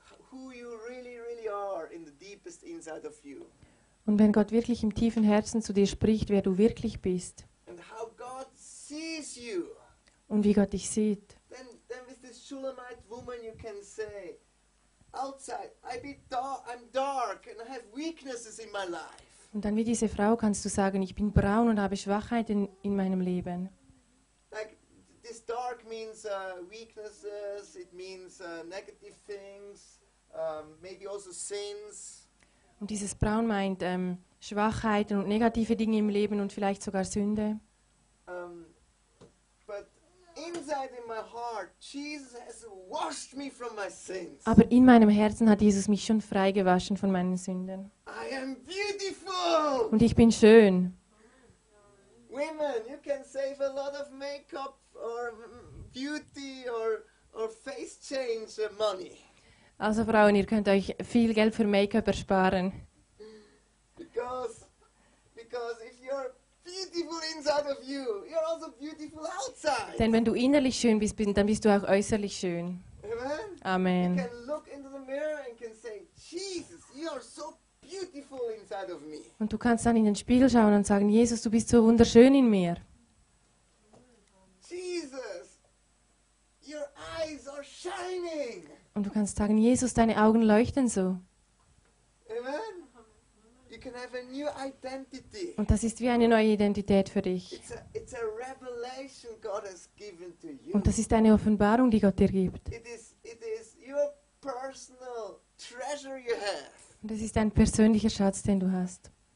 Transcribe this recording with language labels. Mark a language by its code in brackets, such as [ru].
[en] who you really, really are in the deepest inside of you. [de] Und wenn Gott wirklich im tiefen Herzen zu dir spricht, wer du wirklich bist. [en] And how God sees you. [de] Und wie Gott dich sieht. [en] Then with this Shulamite woman you can say, outside, I'm dark and I have weaknesses in my life. [de] Und dann wie diese Frau kannst du sagen, ich bin braun und habe Schwachheiten in meinem Leben. [en] Like, this dark means weaknesses, it means negative things, maybe also sins. [de] Und dieses Braun meint Schwachheiten und negative Dinge im Leben und vielleicht sogar Sünde. [en] But inside in my heart, Jesus has washed me from my sins. [de] Aber in meinem Herzen hat Jesus mich schon freigewaschen von meinen Sünden. [en] I am beautiful. [de] Und ich bin schön. [en] Women, you can save a lot of makeup or beauty or face change money. [de] Also Frauen, ihr könnt euch viel Geld für Make-up ersparen. [en] Because if you're beautiful inside of you, you're also beautiful outside. [de] Denn wenn du innerlich schön bist, dann bist du auch äußerlich schön. [en] Amen. [de] Amen. [en] You can look into the mirror and can say, Jesus, you are so beautiful inside of me. [de] Und du kannst dann in den Spiegel schauen und sagen, Jesus, du bist so wunderschön in mir. [en] Jesus, your eyes are shining. [de] Und du kannst sagen, Jesus, deine Augen leuchten so. [en] Amen. You can have a new identity. [de] Und das ist wie eine neue Identität für dich. [en] It's a revelation God has given to you. [de] Und das ist eine Offenbarung, die Gott dir gibt. [en] It is your personal treasure you have. [de] Und das ist dein persönlicher Schatz, den du hast.